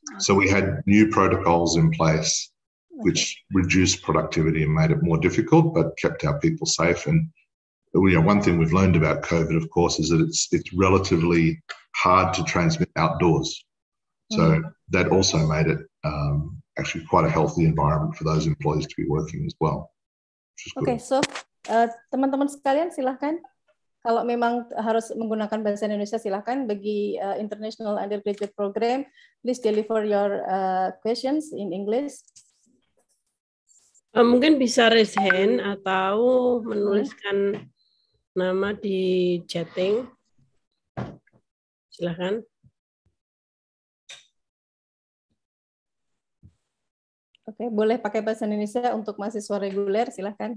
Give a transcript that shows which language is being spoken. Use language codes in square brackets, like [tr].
[en] So we had new protocols in place, which reduced productivity and made it more difficult, but kept our people safe. And you know, one thing we've learned about COVID, of course, is that it's relatively hard to transmit outdoors. So that also made it actually quite a healthy environment for those employees to be working as well. [id] Okay, so teman-teman sekalian, silakan. Kalau memang harus menggunakan bahasa Indonesia, silakan. [en] Bagi international undergraduate program, please deliver your questions in English. [id] Mungkin bisa [en] raise hand [id] atau menuliskan nama di chatting. Silakan. Oke, boleh pakai bahasa Indonesia untuk mahasiswa reguler, silakan.